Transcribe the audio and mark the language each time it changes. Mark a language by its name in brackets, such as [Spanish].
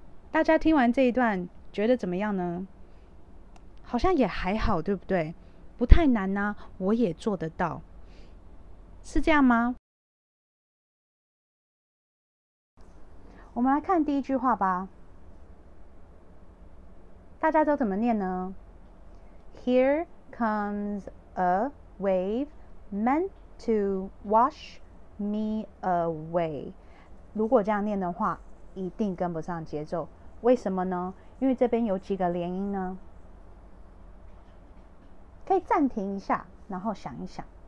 [Chinese] 大家听完这一段觉得怎么样呢？好像也还好，对不对？不太难啊，我也做得到，是这样吗？我们来看第一句话吧，大家都怎么念呢？ [English] Here comes a wave meant to wash me away。 [Chinese] 如果这样念的话一定跟不上节奏，为什么呢？因为这边有几个连音呢，可以暂停一下，然后想一想。